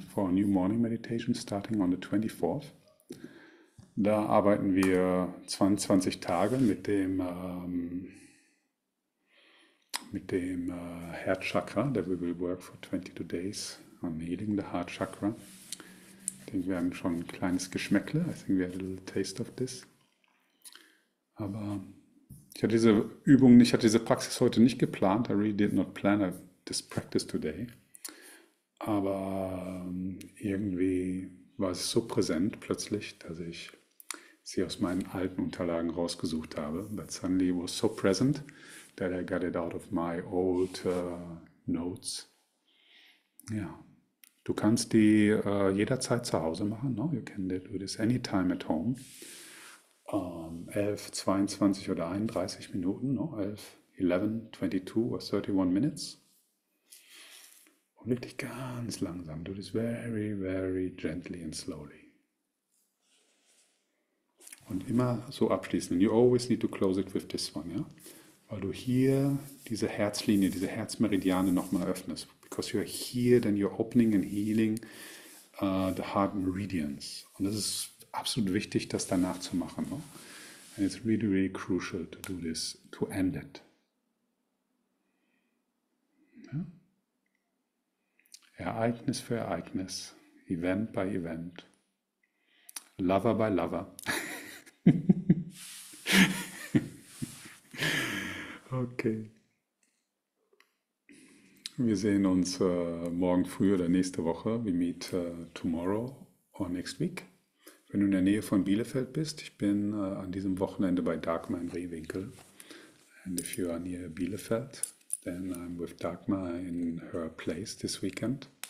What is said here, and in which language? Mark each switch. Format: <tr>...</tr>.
<en>For a new morning meditation starting on the 24th.</en> <de>Da arbeiten wir 22 Tage mit dem Heart Chakra.</de> <en>That we will work for 22 days on healing the Heart Chakra.</en> <de>Ich denke, wir haben schon ein kleines Geschmäckle.</de> <en>I think we had a little taste of this.</en> <de>Aber ich hatte diese Übung nicht, ich hatte diese Praxis heute nicht geplant.</de> <en>I really did not plan this practice today.</en> <de>Aber irgendwie war es so präsent plötzlich, dass ich sie aus meinen alten Unterlagen rausgesucht habe.</de> <en>But suddenly it was so present that I got it out of my old notes.</en> <de>Ja. Yeah. Du kannst die jederzeit zu Hause machen. No?</de> <en>You can do this anytime at home.</en> <de>11, 22 oder 31 Minuten.</de> <en>No? 11, 11, 22 or 31 minutes.</en> <de>Und wirklich ganz langsam.</de> <en>Do this very, very gently and slowly.</en> <de>Und immer so abschließen.</de> <en>And you always need to close it with this one. Yeah?</en> <de>Weil du hier diese Herzlinie, diese Herzmeridiane nochmal öffnest.</de> <en>Because you are here, then you're opening and healing the heart meridians.</en> <de>Und das ist absolut wichtig, das danach zu machen.</de> <en>No? And it's really, really crucial to do this, to end it.</en> <de>Ja? Ereignis für Ereignis,</de> <en>Event by Event, Lover by Lover. Okay.</en> <de>Wir sehen uns morgen früh oder nächste Woche.</de> <en>We meet tomorrow or next week.</en> <de>Wenn du in der Nähe von Bielefeld bist, ich bin an diesem Wochenende bei Dagmar in Rehwinkel.</de> <en>And if you are near Bielefeld, then I'm with Dagmar in her place this weekend.</en>